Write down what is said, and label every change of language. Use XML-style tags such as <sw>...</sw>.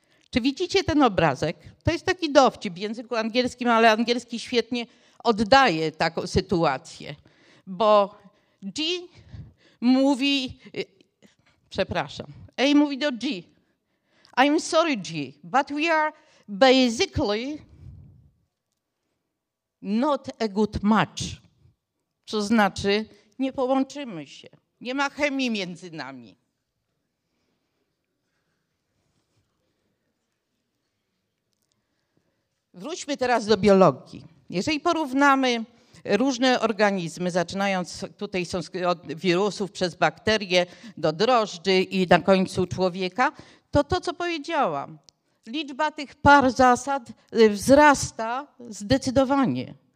<pl>Czy widzicie ten obrazek? To jest taki dowcip w języku angielskim, ale angielski świetnie oddaje taką sytuację. Bo G mówi, przepraszam, A mówi do G.</pl> <en>I'm sorry, G, but we are basically not a good match.</en> <pl>Co znaczy, nie połączymy się. Nie ma chemii między nami. Wróćmy teraz do biologii. Jeżeli porównamy różne organizmy, zaczynając tutaj są od wirusów przez bakterie do drożdży i na końcu człowieka, to, co powiedziałam, liczba tych par zasad wzrasta zdecydowanie.</pl>